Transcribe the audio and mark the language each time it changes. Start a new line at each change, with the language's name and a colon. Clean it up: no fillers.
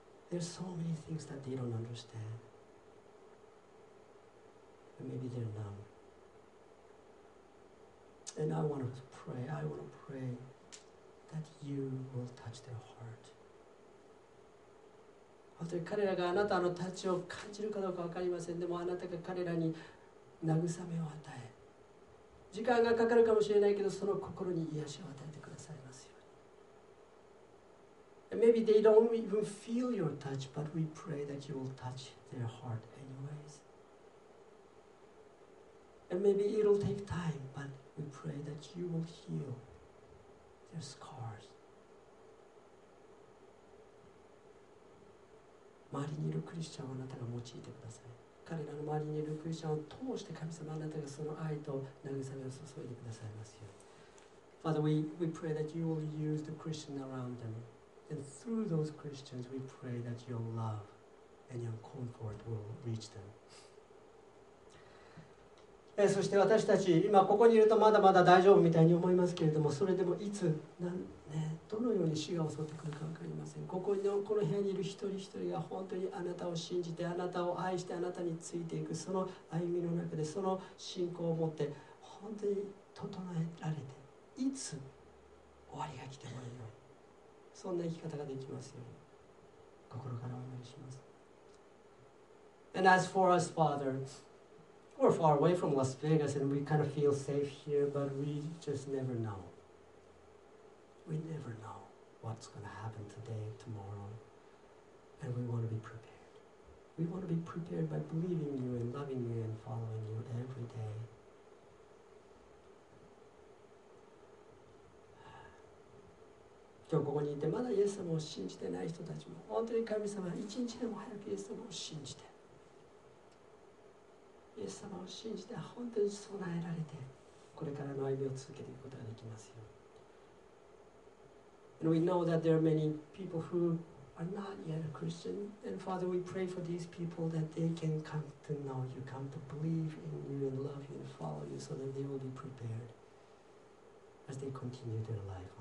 English: There's so many things that they don't understand. Maybe they're numb. And I want to pray, I want to pray that you will touch their heart.
Japanese: 本当に彼らがあなたのタッチを感じるかどうか分かりません。でもあなたが彼らに慰めを与え、時間がかかるかもしれないけど、その心に癒しを与えてくださいますように。
English: And maybe they don't even feel your touch, but we pray that you will touch their heart anyways. And maybe it'll take time, but we pray that you will heal their scars.
Japanese: 周りにいるクリスチャンをあなたが用いてください。彼らの周りにいるクリスチャンを通して神様、あなたがその愛と慰めを注いでくださいますよ。
English: Father, we pray that you will use the Christians around them. And through those Christians, we pray that your love and your comfort will reach them.
Japanese: そして私たち今ここにいるとまだまだ大丈夫みたいに思いますけれども、それでもいつ、ね、どのように死が襲ってくるか分かりません。ここのこの部屋にいる一人一人が本当にあなたを信じて、あなたを愛して、あなたについていく、その歩みの中でその信仰を持って本当に整えられて、いつ終わりが来てもいいように、そんな生き方ができますように心からお願いします。
English: And as for us, FatherWe're far away from Las Vegas and we kind of feel safe here, but we just never know. We never know what's going to happen today, tomorrow. And we want to be prepared. We want to be prepared by believing you and loving you and following you every day. Today,
Japanese: ここにいてまだイエス様を信じてない人たちも、本当に神様、一日でも早くイエス様を信じて、イエス様を信じて本当に備えられて、これからの歩みを続けていくことができますよ。
English: And we know that there are many people who are not yet a Christian. And Father, we pray for these people that they can come to know you, come to believe in you and love you and follow you, so that they will be prepared as they continue their life on earth.